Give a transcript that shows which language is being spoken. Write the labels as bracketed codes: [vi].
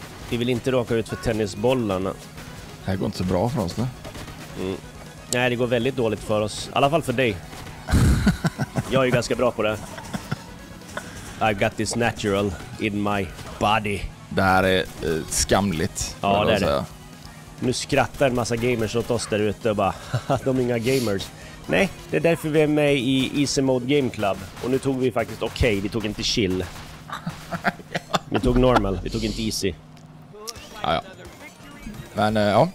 [sv] Vi vill inte råka ut för tennisbollarna. Det här går inte så bra för oss nu. Mm. Nej, det går väldigt dåligt för oss. I alla fall för dig. Jag är ju ganska bra på det. [en] I got this natural in my body. [sv] Det här är skamligt. Ja, det är det. Nu skrattar en massa gamers åt oss där ute och bara, de är inga gamers. Nej, det är därför vi är med i Easy Mode Game Club. Och nu tog vi faktiskt okej, vi tog inte chill. Vi tog normal, vi tog inte easy. Ja, ja. Men, ja.